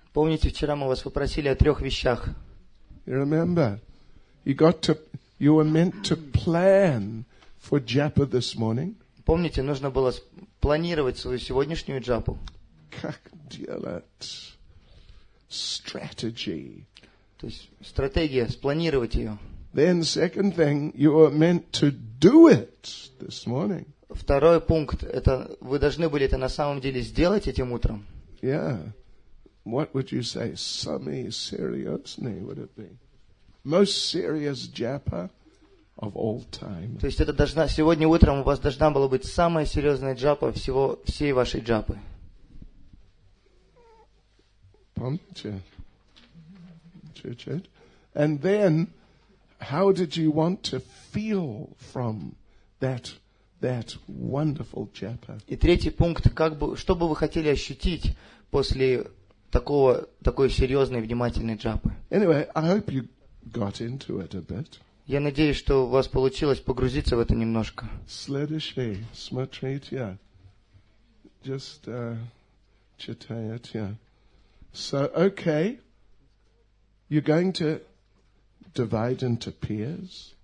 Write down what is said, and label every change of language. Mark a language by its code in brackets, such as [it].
[ru] Помните, вчера мы вас попросили о трех вещах. [en] You remember? You were meant to plan for Japa this morning. [ru] Помните, нужно было планировать свою сегодняшнюю джапу. Как делать strategy? То есть стратегия, спланировать ее. [en] Then second thing, you were meant to do it this morning. [ru] Второй пункт, это вы должны были это на самом деле сделать этим утром. [en] Yeah. What would you say? Some seriousness would it be? Most serious japa of all time. [ru] То есть это должна сегодня утром у вас должна была быть самая серьезная джапа всего всей вашей джапы. Помните? Чуть-чуть. [en] And then, how did you want to feel from that wonderful japa? [ru] И третий пункт, как бы, что бы вы хотели ощутить после такого такой серьезной внимательной джапы? [en] Anyway, I hope you got into it a bit. [ru] Я надеюсь, что у вас получилось погрузиться в это немножко. Следующий, смотрите, just читайте. [en] So, okay, you're going to divide into pairs.